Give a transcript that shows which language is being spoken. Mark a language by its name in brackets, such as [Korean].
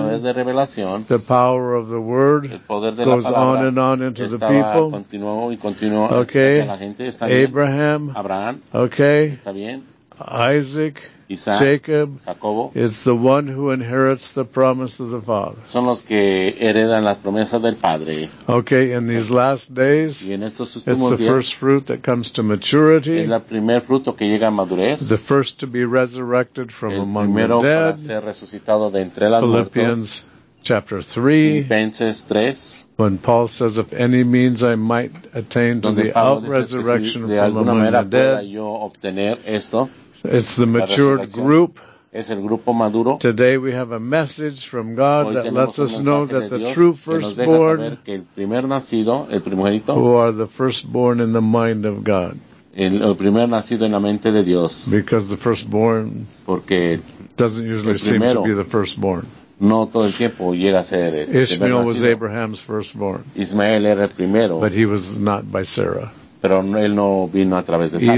[Spanish] el poder de revelación, [English] the power of the word, [Spanish] el poder de [English] goes [Spanish] la palabra, [English] on and on into the people. [Spanish] Continuó y continuó [English] okay, [Spanish] hacia la gente, está [English] Abraham, [Spanish] bien. Abraham, [English] okay, [Spanish] está bien. [English] Isaac, [Spanish] Isaac, [English] Jacob, [Spanish] Jacobo, [English] it's the one who inherits the promise of the Father. [Spanish] Son los que heredan la promesa del Padre. [English] Okay, in these last days, [Spanish] y en estos últimos [English] it's the [Spanish] días, [English] first fruit that comes to maturity. [Spanish] Es la primer fruto que llega a madurez. [English] The first to be resurrected from [Spanish] el [English] among the dead. [Spanish] El primero para ser resucitado de entre las [English] Philippians [Spanish] muertos. [English] Chapter 3. [Spanish] Filipenses 3. [English] When Paul says, if any means I might attain to the out-resurrection [Spanish] si de [English] from among the dead. [Spanish] Yo obtener esto. [English] It's the matured group. [Spanish] Es el grupo maduro. [English] Today we have a message from God that lets us know that the true firstborn, [Spanish] que nos deja saber que el primer nacido, el primogénito, [English] who are the firstborn in the mind of God. [Spanish] El primer nacido en la mente de Dios. [English] Because the firstborn [Spanish] porque [English] doesn't usually [Spanish] el primero, [English] seem to be the firstborn. [Spanish] No todo el tiempo llega a ser el [English] Ishmael was Abraham's firstborn. [Spanish] Ismael era el primero. [English] But he was not by Sarah. [Spanish] Pero él no vino a través de Sara.